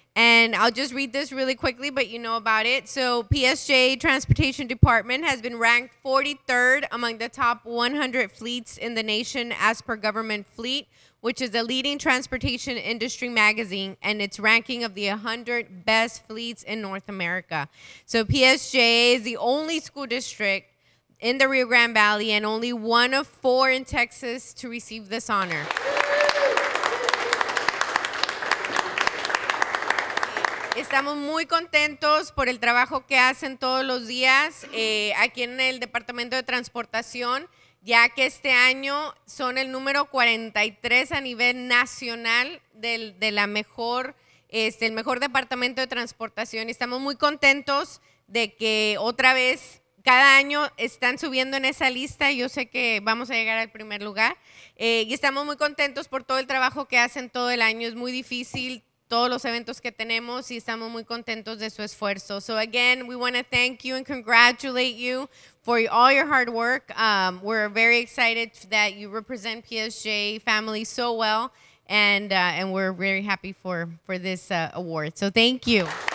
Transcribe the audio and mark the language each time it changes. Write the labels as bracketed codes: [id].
[en] And I'll just read this really quickly, but you know about it. So PSJA Transportation Department has been ranked 43rd among the top 100 fleets in the nation as per Government Fleet, which is a leading transportation industry magazine, and its ranking of the 100 best fleets in North America. So PSJA is the only school district in the Rio Grande Valley and only one of four in Texas to receive this honor. [es] Estamos muy contentos por el trabajo que hacen todos los días aquí en el Departamento de Transportación, ya que este año son el número 43 a nivel nacional del mejor Departamento de Transportación. Estamos muy contentos de que otra vez, cada año están subiendo en esa lista. Yo sé que vamos a llegar al primer lugar. Y estamos muy contentos por todo el trabajo que hacen todo el año. Es muy difícil todos los eventos que tenemos y estamos muy contentos de su esfuerzo. [en] So again, we want to thank you and congratulate you for all your hard work. We're very excited that you represent PSJA family so well, and we're very happy for this award. So thank you.